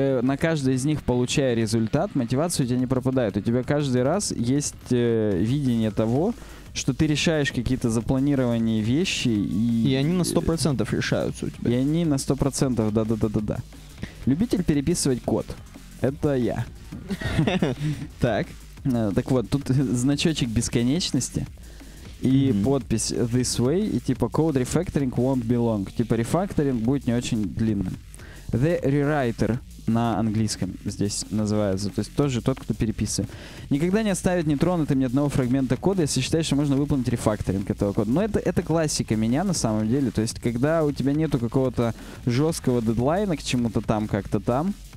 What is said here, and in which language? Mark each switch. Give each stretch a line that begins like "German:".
Russian: На каждой из них, получая результат, мотивация у тебя не пропадает. У тебя каждый раз есть видение того, что ты решаешь какие-то запланированные вещи. И они на 100% решаются у тебя. И они на 100%, да. Любитель переписывать код. Это я. Так. Так вот, тут значочек бесконечности. И подпись
English: this way.
Russian: И типа
English: code refactoring won't be long.
Russian: Типа рефакторинг будет не очень длинным.
English: The rewriter.
Russian: На английском здесь называется. То есть тоже тот, кто переписывает. Никогда не оставит нетронутым ни одного фрагмента кода, если считаешь, что можно выполнить рефакторинг этого кода. Но это классика меня на самом деле. То есть когда у тебя нету какого-то жесткого дедлайна к чему-то там, как-то там,